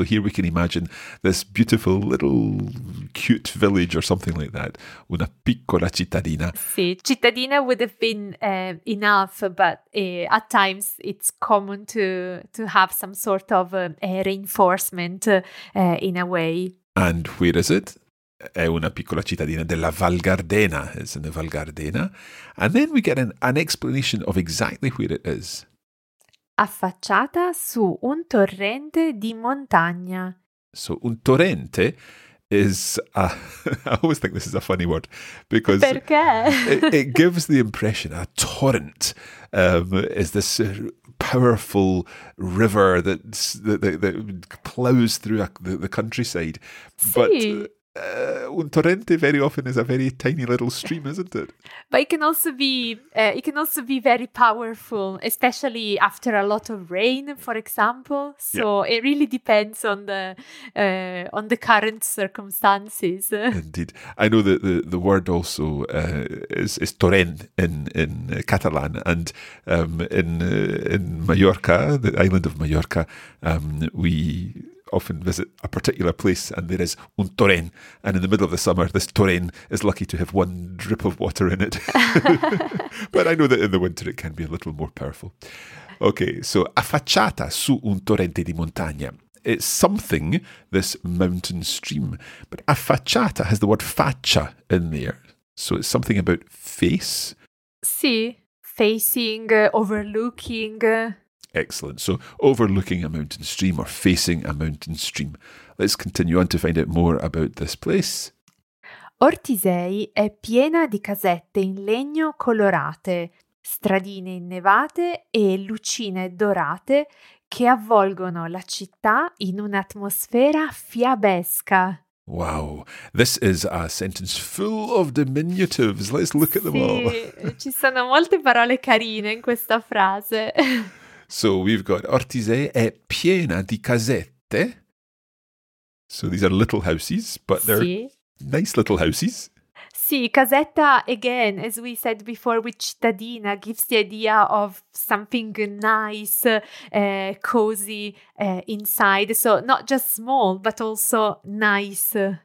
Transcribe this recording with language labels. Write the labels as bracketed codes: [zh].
[en] So here we can imagine this beautiful little cute village or something like that. [it] Una piccola cittadina. [en] Sì, cittadina would have been enough, but at times it's common to have some sort of reinforcement in a way. And where is it? [it] È una piccola cittadina della Val Gardena. [en] It's in the Val Gardena. And then we get an explanation of exactly where it is. [it] Affacciata su un torrente di montagna. [en] So, un torrente is... I always think this is a funny word. Because... [it] Perché? [en] it gives the impression a torrent is this... powerful river that plows through the countryside. [it] Sì. [en] But un torrente very often is a very tiny little stream, isn't it? But it can also be very powerful, especially after a lot of rain, for example. So yeah. It really depends on the current circumstances. Indeed. I know that the word also is torrent in Catalan, and in Mallorca, the island of Mallorca, we often visit a particular place and there is un torrent, and in the middle of the summer this torrent is lucky to have one drip of water in it. But I know that in the winter it can be a little more powerful. [it] Okay, so affacciata su un torrente di montagna. [en] It's something, this mountain stream, but affacciata has the word faccia in there. So it's something about face. Sì, facing, overlooking. Excellent. So, overlooking a mountain stream or facing a mountain stream. Let's continue on to find out more about this place. [it] Ortisei è piena di casette in legno colorate, stradine innevate e lucine dorate che avvolgono la città in un'atmosfera fiabesca. [en] Wow, this is a sentence full of diminutives. Let's look at them all. [it] Ci sono molte parole carine in questa frase. [en] So we've got [it] Ortisei è piena di casette. [en] So these are little houses, but they're [it] sì. [en] nice little houses. Sì, casetta, again, as we said before, with cittadina, gives the idea of something nice, cozy inside. So not just small, but also nice.